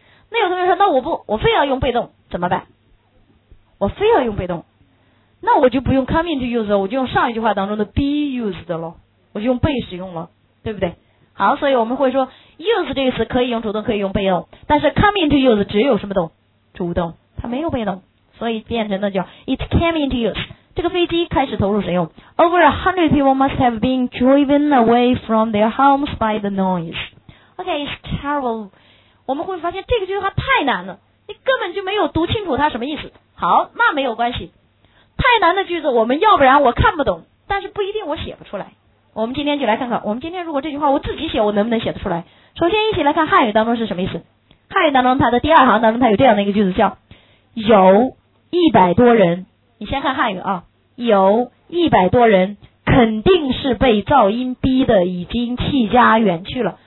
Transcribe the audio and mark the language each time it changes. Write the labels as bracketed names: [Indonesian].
[Chinese] 那有同学说，那我非要用被动怎么办？我非要用被动，那我就不用 come into use 了，我就用上一句话当中的 be used 的咯，我就用被使用了，对不对？好，所以我们会说 use 这个词可以用主动可以用被动，但是 come into use 只有什么动？主动，它没有被动，所以变成的叫 [English] it came into use。 [Chinese] 这个飞机开始投入使用。 [English] Over 100 people must have been driven away from their homes by the noise. Okay, it's terrible. [Chinese] 我们会发现这个句话太难了，你根本就没有读清楚它什么意思。好，那没有关系。太难的句子，我们要不然我看不懂，但是不一定我写不出来。我们今天就来看看，我们今天如果这句话我自己写，我能不能写得出来？首先一起来看汉语当中是什么意思。汉语当中它的第二行当中它有这样的一个句子叫有一百多人，你先看汉语啊，有一百多人肯定是被噪音逼的已经弃家远去了。